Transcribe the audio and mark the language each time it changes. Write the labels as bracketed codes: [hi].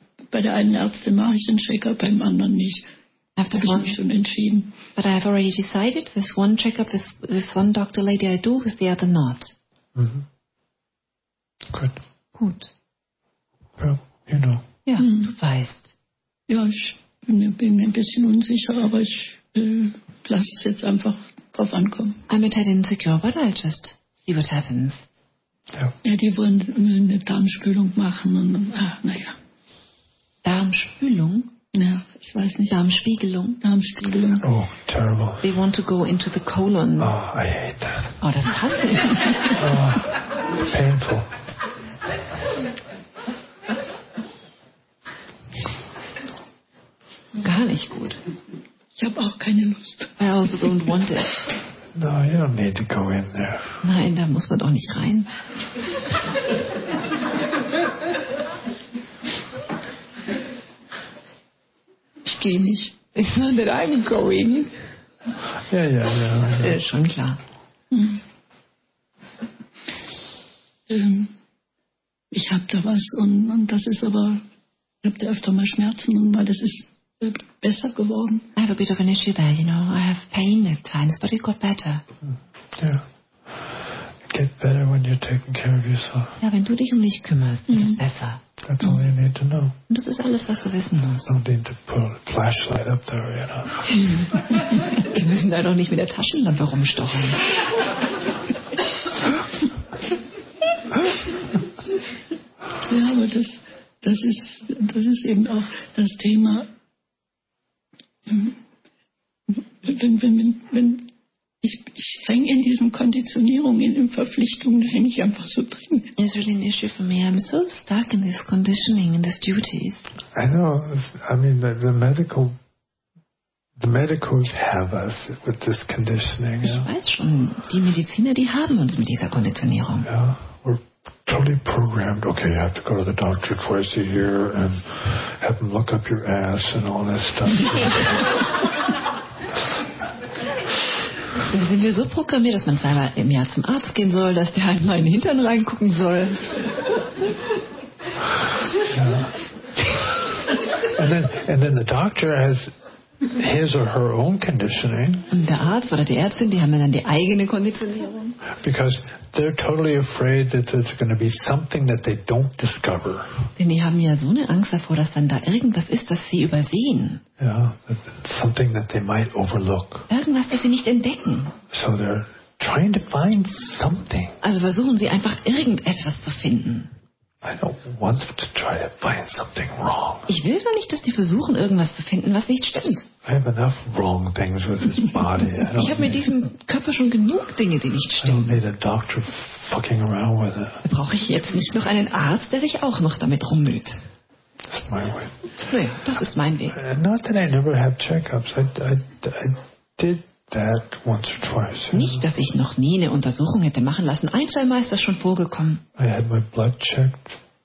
[de] Bei der einen Ärztin mache ich den Check-up, beim anderen nicht. [en] After [de] habe ich mich schon entschieden. [en] But I have already decided, this one check-up, this one doctor lady I do, with the other not. Mm-hmm. Good. [de] Gut. [en] Well, you know. [de] Ja, mm-hmm. Du weißt. Ja, ich bin mir ein bisschen unsicher, aber ich lasse es jetzt einfach drauf ankommen. [en] I'm a tad insecure, but I'll just see what happens. [de] Ja, die wollen eine Darmspülung machen und naja. Darmspülung? Ja, ich weiß nicht. Darmspiegelung? Darmspiegelung. [en] Oh, terrible. They want to go into the colon. Oh, I hate that. [de] Oh, das hasse ich. [en] Oh, painful. [de] Gar nicht gut. Ich habe auch keine Lust. [en] I also don't want it. No, you don't need to go in there. [de] Nein, da muss man doch nicht rein. Ich gehe nicht. [en] I'm going. [de] Ja. Das ist schon klar. Ich habe da was und das ist aber, ich habe da öfter mal Schmerzen und mal das ist besser geworden. [en] I have a bit of an issue there, you know. I have pain at times, but it got better. Yeah. Get better when you're taking care of yourself. [de] Ja, wenn du dich um dich kümmerst, wird es besser. [en] That's all you need to know. [de] Und das ist alles, was du wissen musst. [en] No need to put a flashlight up there, you know. [de] Die müssen da doch nicht mit der Taschenlampe rumstochen. Ja, aber das ist eben auch das Thema, wenn ich hänge in diesen Konditionierungen, in Verpflichtungen, das hänge ich einfach so drin. [en] It's really an issue for me. I'm so stuck in this conditioning, in these duties. I know. I mean, the medicals have us with this conditioning. [de] Ich weiß schon, die Mediziner, die haben uns mit dieser Konditionierung. [en] Yeah, we're totally programmed, okay, you have to go to the doctor twice a year and have them look up your ass and all this stuff. [de] Dann sind wir so programmiert, dass man zweimal im Jahr zum Arzt gehen soll, dass der einmal in den Hintern reingucken soll. [en] Yeah. And then the doctor has his or her own conditioning. [de] Und der Arzt oder die Ärztin, die haben dann die eigene Konditionierung. [en] Because they're totally afraid that there's going to be something that they don't discover. [de] Denn die haben ja so eine Angst davor, dass dann da irgendwas ist, das sie übersehen. [en] Yeah, something that they might overlook. [de] Irgendwas, das sie nicht entdecken. [en] So they're trying to find something. [de] Also versuchen sie einfach irgendetwas zu finden. [en] I don't want them to try to find something wrong. [de] Ich will doch nicht, dass die versuchen, irgendwas zu finden, was nicht stimmt. [en] I have enough wrong things with this body. [de] Ich habe mit diesem Körper schon genug Dinge, die nicht stimmen. [en] I don't need a doctor fucking around with it. [de] Brauche ich jetzt nicht noch einen Arzt, der sich auch noch damit rummüht? [en] That's my way. [de] Naja, das ist mein Weg. [en] Not that I never have checkups. I did that once or twice. [de] Nicht, dass ich noch nie eine Untersuchung hätte machen lassen. Ein, zwei Mal ist das schon vorgekommen. [en] I had my blood checked.